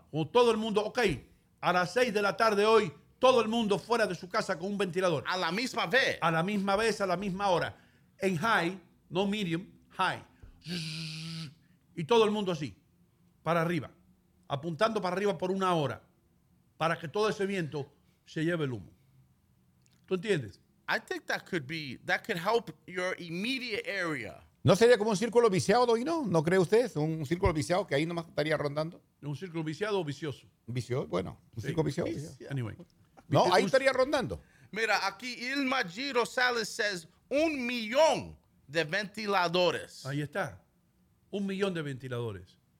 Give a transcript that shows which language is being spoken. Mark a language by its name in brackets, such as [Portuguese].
[Spanish] Todo el mundo, okay, a las 6 de la tarde hoy, todo el mundo fuera de su casa con un ventilador. A la misma vez. A la misma vez, a la misma hora. En high, no medium, high. Y todo el mundo así, para arriba. Apuntando para arriba por una hora. Para que todo ese viento se lleve el humo. ¿Tú entiendes? [English] I think that could be, that could help your immediate area. [Spanish] ¿No sería como un círculo viciado, Ino? ¿No cree usted? ¿Un círculo viciado que ahí nomás estaría rondando? ¿Un círculo viciado o vicioso? Vicioso, bueno. ¿Un círculo vicioso? [English] Anyway. [Spanish] No, ahí estaría rondando. Mira, aquí Ilma G. Rosales says 1,000,000 de ventiladores. Ahí está. 1,000,000 de ventiladores.